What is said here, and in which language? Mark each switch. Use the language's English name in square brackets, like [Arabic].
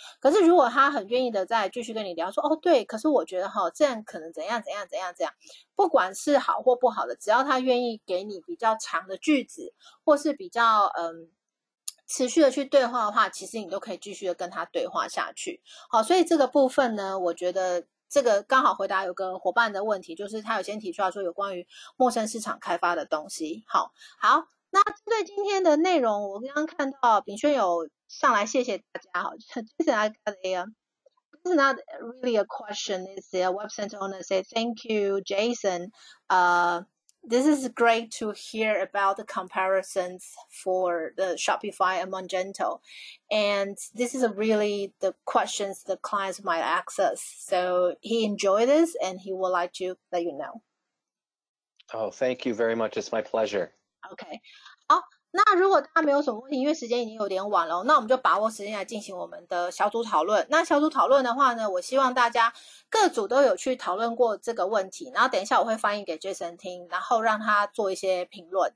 [Chinese] 可是如果他很愿意的再继续跟你聊说，哦对，可是我觉得齁这样可能怎样怎样怎样怎样，不管是好或不好的，只要他愿意给你比较长的句子或是比较持续的去对话的话，其实你都可以继续的跟他对话下去。好，所以这个部分呢，我觉得这个刚好回答有个伙伴的问题，就是他有先提出来说有关于陌生市场开发的东西。好好，那针对今天的内容，我刚刚看到秉轩有上来谢谢大家。好，就是 [English] I got a it's not really a question, it's a web center owner say thank you Jason, this is great to hear about the comparisons for the Shopify and Magento. And this is really the questions the clients might ask us. So he enjoyed this and he would like to let you know. Oh, thank you very much. It's my pleasure. Okay. [Chinese] 好，那如果大家没有什么问题，因为时间已经有点晚了，那我们就把握时间来进行我们的小组讨论。那小组讨论的话呢，我希望大家各组都有去讨论过这个问题，然后等一下我会翻译给 Jason 听，然后让他做一些评论。